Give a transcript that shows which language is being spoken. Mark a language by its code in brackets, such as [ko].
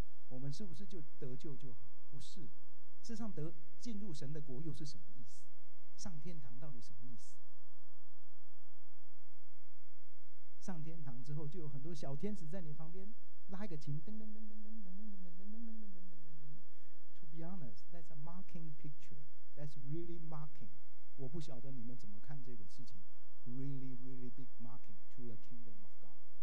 [zh] 我们是不是就得救就好？不是。事实上得进入神的国又是什么意思？上天堂到底什么意思？上天堂之后就有很多小天使在你旁边拉一个琴，噔噔噔噔噔噔噔噔噔噔噔噔噔噔噔噔噔。 [en] To be honest, that's a mocking picture. That's really mocking. [zh] 我不晓得你们怎么看这个事情。 [en] Really, really big mocking to the kingdom of God.